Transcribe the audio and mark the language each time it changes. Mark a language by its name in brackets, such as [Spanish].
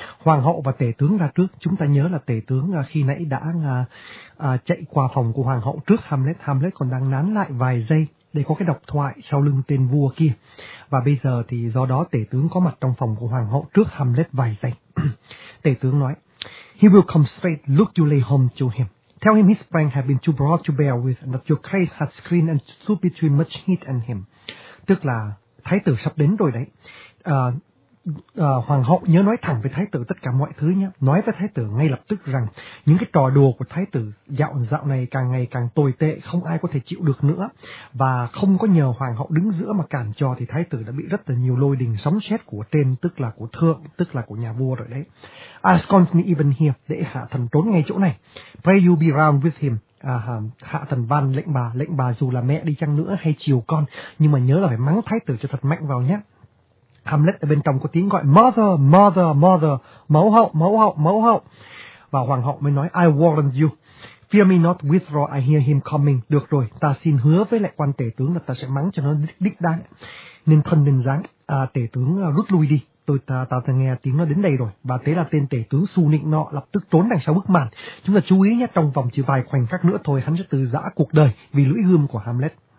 [Vietnamese] Hoàng hậu và tể tướng ra trước. Chúng ta nhớ là tể tướng khi nãy đã chạy qua phòng của Hoàng hậu trước Hamlet. Hamlet còn đang nán lại vài giây để có cái độc thoại sau lưng tên vua kia. Và bây giờ thì do đó tể tướng có mặt trong phòng của Hoàng hậu trước Hamlet vài giây. Tể tướng nói, [English] "He will come straight, look you lay home to him. Tell him his pranks have been too broad to bear with, and that your craze has screened and stood between much heat and him." [Vietnamese] Tức là thái tử sắp đến rồi đấy. Hoàng hậu nhớ nói thẳng với thái tử tất cả mọi thứ nhé. Nói với thái tử ngay lập tức rằng những cái trò đùa của thái tử dạo này càng ngày càng tồi tệ, không ai có thể chịu được nữa. Và không có nhờ hoàng hậu đứng giữa mà cản cho thì thái tử đã bị rất là nhiều lôi đình sóng sét của trên, tức là của thượng, tức là của nhà vua rồi đấy. [English] "Ascons me even here," [Vietnamese] để hạ thần trốn ngay chỗ này. [English] "Pray you be round with him." [Vietnamese] Hạ thần van lệnh bà dù là mẹ đi chăng nữa hay chiều con, nhưng mà nhớ là phải mắng thái tử cho thật mạnh vào nhé. Hamlet ở bên trong có tiếng gọi [English] "Mother, mother, mother," [Vietnamese] mẫu hậu, mẫu hậu, mẫu hậu. Và hoàng hậu mới nói, [English] "I warrant you, fear me not, withdraw, I hear him coming." [Vietnamese] Được rồi, ta xin hứa với lại quan tể tướng là ta sẽ mắng cho nó đích đáng. Nên thân nên dáng, tể tướng rút lui đi, ta nghe tiếng nó đến đây rồi. Và thế là tên tể tướng xu nịnh nọ lập tức trốn đằng sau bức màn. Chúng ta chú ý nhé, trong vòng chỉ vài khoảnh khắc nữa thôi, hắn sẽ từ giã cuộc đời vì lưỡi gươm của Hamlet.